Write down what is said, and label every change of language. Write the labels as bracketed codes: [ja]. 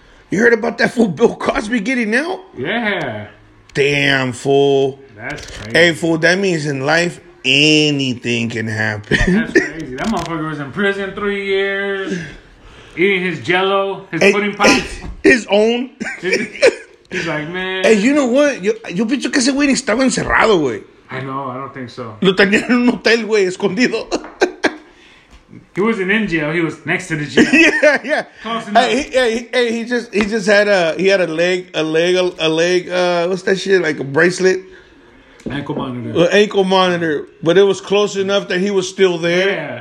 [en] You heard about that fool Bill Cosby getting out? Yeah. Damn, fool. That's crazy. Hey, fool, that means in life, anything can happen. That's crazy. That motherfucker was in prison 3 years, eating his Jell-O, his pudding pops. His own. He's like, man. Hey, you know what? [es] Yo pienso que ese güey ni estaba encerrado, güey. [en] I know. I don't think so. [es] Lo tenían en un hotel, güey, escondido. [en] He wasn't in jail. He was next to the jail. Yeah. He just had a leg, what's that shit, like a bracelet? An ankle monitor. But it was close enough that he was still there.